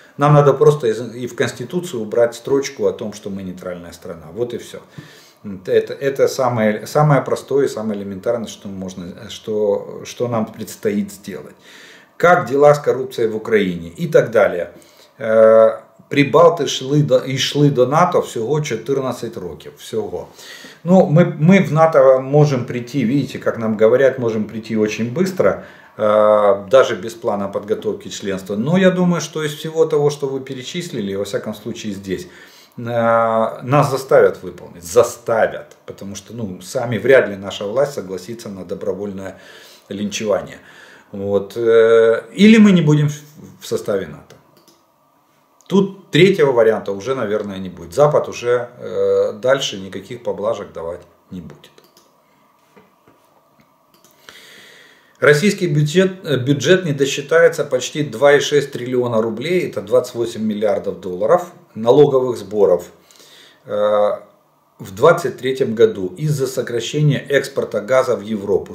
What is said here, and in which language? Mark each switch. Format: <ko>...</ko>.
<ru>Нам надо просто и в Конституцию убрать строчку о том, что мы нейтральная страна. Вот и все. Это самое простое и самое элементарное, что нам предстоит сделать. Как дела с коррупцией в Украине и так далее.</ru> <uk>Прибалти йшли до НАТО всього 14 років. Всього. Ну, ми в НАТО можемо прийти, видите, як нам говорять, можемо прийти дуже швидко, навіть без плану підготовки членства. Ну, я думаю, що із всього того, що ви перечислили,</uk> <ru>во всякому</ru> <uk>випадку, здесь, нас заставлять виконати. Заставлять. Тому що, ну, самі</uk> <ru>вряд ли наша власть согласиться</ru> <uk>на добровольне лінчування.</uk> <ru>Вот. Или мы не будем в составе НАТО. Тут третьего варианта уже, наверное, не будет. Запад уже дальше никаких поблажек давать не будет. Российский бюджет не досчитается почти 2,6 триллиона рублей, это 28 миллиардов долларов налоговых сборов в 2023 году из-за сокращения экспорта газа в Европу.</ru>